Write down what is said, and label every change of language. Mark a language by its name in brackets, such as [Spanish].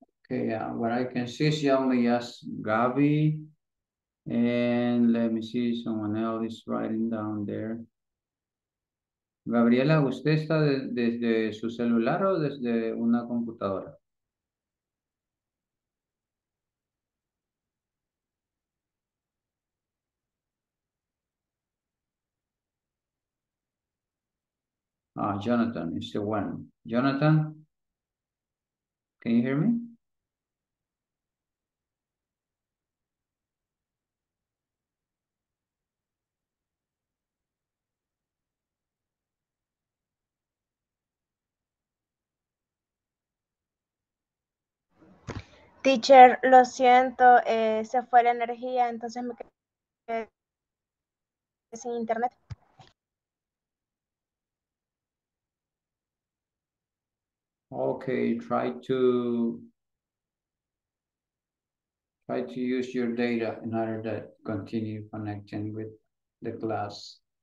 [English] Okay, what I can see is only as Gabby, and let me see if someone else is writing down there. [Spanish] Gabriela, ¿usted está desde su celular o desde una computadora? [English] Jonathan is the one. Jonathan, can you hear me? [Spanish] Teacher, lo siento, se fue la energía, entonces me quedé sin internet. [English] Okay, try to use your data in order to continue connecting with the class.